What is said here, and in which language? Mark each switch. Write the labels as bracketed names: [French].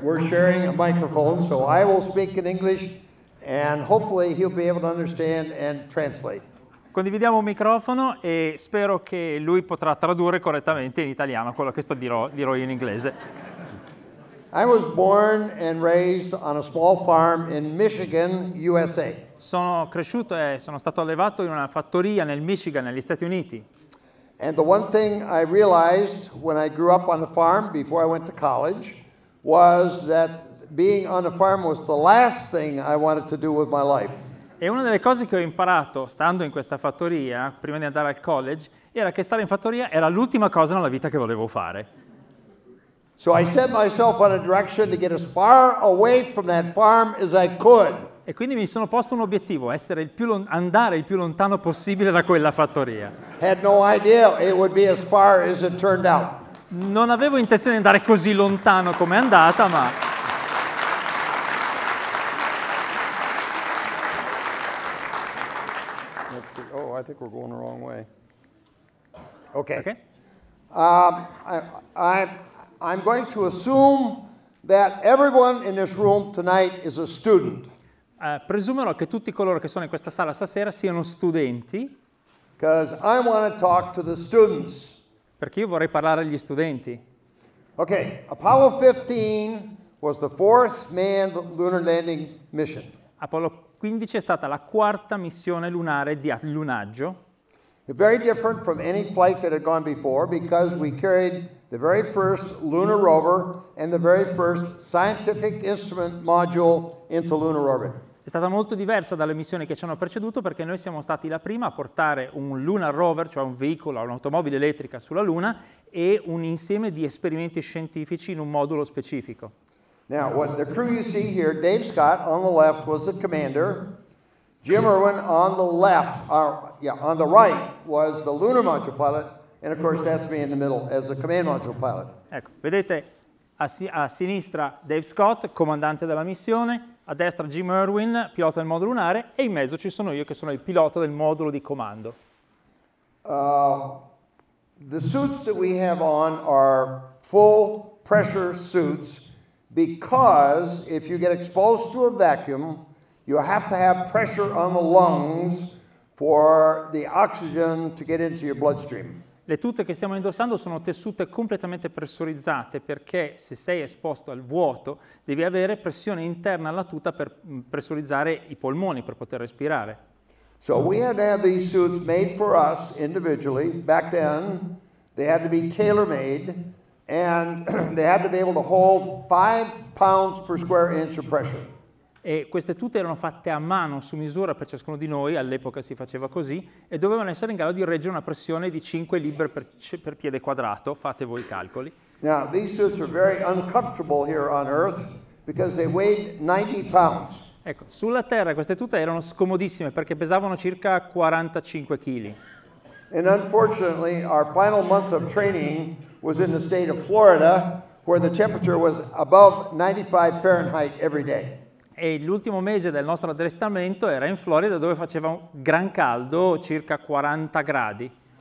[English] We're sharing a microphone, so I will speak in English, and hopefully he'll be able to understand and translate. [Italian] Condividiamo un microfono e spero che lui potrà tradurre correttamente in italiano quello che sto dirò in inglese. [English] I was born and raised on a small farm in Michigan, USA. [Italian] Sono cresciuto e sono stato allevato in una fattoria nel Michigan, negli Stati Uniti. [English] And the one thing I realized when I grew up on the farm before I went to college was that being on a farm was the last thing I wanted to do with my life. [Italian] E una delle cose che ho imparato stando in questa fattoria prima di andare al college era che stare in fattoria era l'ultima cosa nella vita che volevo fare. [English] So I set myself on a direction to get as far away from that farm as I could. [Italian] E quindi mi sono posto un obiettivo, essere andare il più lontano possibile da quella fattoria. [English] Had no idea it would be as far as it turned out. [Italian] Non avevo intenzione di andare così lontano come è andata, ma [English] let's see. Oh, I think we're going the wrong way. Okay. Okay. I'm going to assume that everyone in this room tonight is a student. [Italian] Presumerò che tutti coloro che sono in questa sala stasera siano studenti. [English] Because I want to talk to the students. [Italian] Perché io vorrei parlare agli studenti. [English] Okay, Apollo 15 was the fourth manned lunar landing mission. [Italian] Apollo 15 è stata la quarta missione lunare di allunaggio. [English] Very different from any flight that had gone before because we carried the very first lunar rover and the very first scientific instrument module into lunar orbit. [Italian] È stata molto diversa dalle missioni che ci hanno preceduto perché noi siamo stati la prima a portare un lunar rover, cioè un veicolo, un'automobile elettrica sulla Luna e un insieme di esperimenti scientifici in un modulo specifico. [English] Now, what the crew you see here, Dave Scott on the left was the commander. Jim Irwin on the left, on the right was the lunar module pilot, and of course that's me in the middle as the command module pilot. [Italian] Ecco, vedete a sinistra Dave Scott, comandante della missione, a destra Jim Irwin, pilota del modulo lunare, e in mezzo ci sono io che sono il pilota del modulo di comando. [English] The suits that we have on are full pressure suits because if you get exposed to a vacuum, you have to have pressure on the lungs for the oxygen to get into your bloodstream. [Italian] Le tute che stiamo indossando sono tessute completamente pressurizzate perché se sei esposto al vuoto devi avere pressione interna alla tuta per pressurizzare i polmoni per poter respirare. [English] So we had to have these suits made for us individually. Back then they had to be tailor-made and they had to be able to hold 5 pounds per square inch of pressure. [Italian] E queste tute erano fatte a mano su misura per ciascuno di noi, all'epoca si faceva così, e dovevano essere in grado di reggere una pressione di 5 libbre per piede quadrato, fate voi i calcoli. [English] Now, these suits are very uncomfortable here on Earth because they weighed 90 pounds. [Italian] Ecco, sulla Terra queste tute erano scomodissime perché pesavano circa 45 kg. [English] And unfortunately, our final month of training was in the state of Florida where the temperature was above 95 Fahrenheit every day. [Italian] E l'ultimo mese del nostro addestramento era in Florida dove faceva un gran caldo, circa 40 gradi.